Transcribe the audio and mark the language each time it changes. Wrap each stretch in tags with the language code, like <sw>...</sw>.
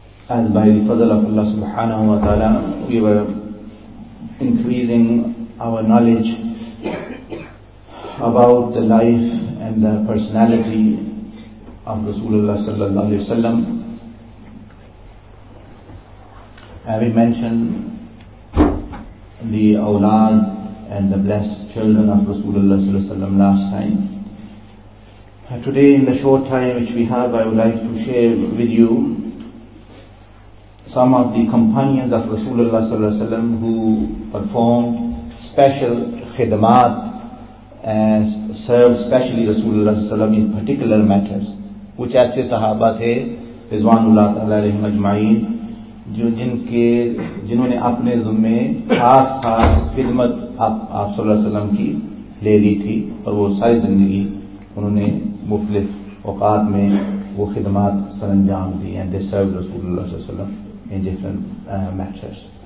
<ar>اهل بيت فضل الله سبحانه وتعالى</ar> <en>we were increasing our knowledge about the life and the personality of Rasulullah sallallahu alayhi wa sallam. Having mentioned the awlad and the blessed children of Rasulullah sallallahu alayhi wa sallam last time, today in the short time which we have, I would like to share with you some of the companions of Rasulullah sallallahu alayhi wa sallam who performed special khidmat and served specially Rasulullah sallallahu alayhi wa sallam in particular matters.</en> <ur>کچھ ایسے صحابہ تھے رضوان اللہ تعالیٰ علیہ اجمعین جو جنہوں نے اپنے ذمے خاص خاص خدمت آپ صلی اللہ علیہ وسلم کی لے لی تھی، اور وہ ساری زندگی انہوں نے مختلف اوقات میں وہ خدمات سر انجام دی،</ur> <en>And they serve رسول اللہ علیہ وسلم ان ڈفرنٹ میٹرز.</en>